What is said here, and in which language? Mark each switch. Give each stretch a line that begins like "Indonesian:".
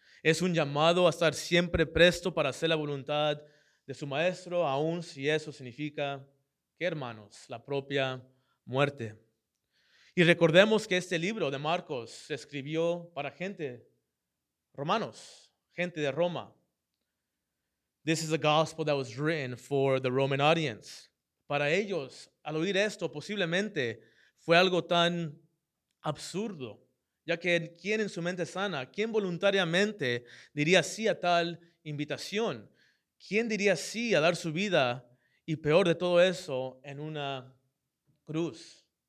Spanish: Es un llamado a estar siempre presto para hacer la voluntad de su maestro, aun si eso significa, que hermanos, la propia muerte. Y recordemos que este libro de Marcos se escribió para gente romanos, gente de Roma.
English: This is a gospel that was written for the Roman audience.
Spanish: Para ellos, al oír esto, posiblemente fue algo tan absurdo, ya que ¿quién en su mente sana, quién voluntariamente diría sí a tal invitación? ¿Quién diría sí a dar su vida y peor de todo eso en una cruz?